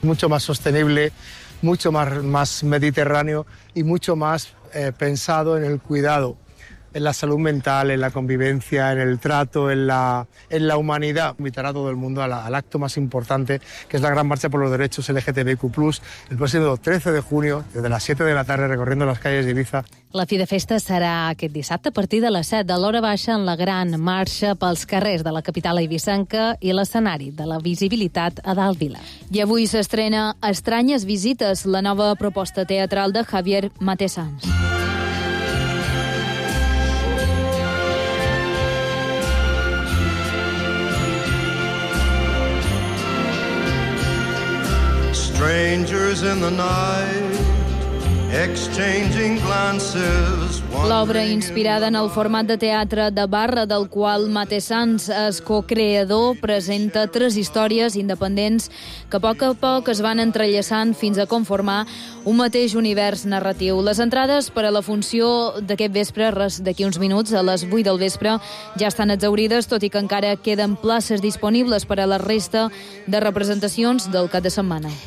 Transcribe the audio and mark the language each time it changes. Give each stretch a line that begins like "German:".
Spanish: Mucho más sostenible, mucho más mediterráneo y mucho más pensado en el cuidado, en la salud mental, en la convivencia, en el trato, en la humanidad. Invitará a todo el mundo al acto más importante, que es la Gran Marcha por los Derechos LGTBIQ+, el próximo 13 de junio, desde las 7 de la tarde, recorriendo las calles de Eivissa.
Catalan: La fi de festa serà aquest dissabte a partir de les 7 de l'hora baixa en la Gran Marxa pels carrers de la capital eivissenca i l'escenari de la visibilitat a Dalt Vila. I avui s'estrena Estranyes Visites, la nova proposta teatral de Javier Matesans.
English: Strangers in the night, exchanging glances.
Catalan: L'obra, inspirada en el format de teatre de barra del qual Matesans és co-creador, presenta tres històries independents que a poc es van entrellaçant fins a conformar un mateix univers narratiu. Les entrades per a la funció d'aquest vespre, res d'aquí uns minuts, a les 8 del vespre, ja estan exaurides, tot i que encara queden places disponibles per a la resta de representacions del cap de setmana.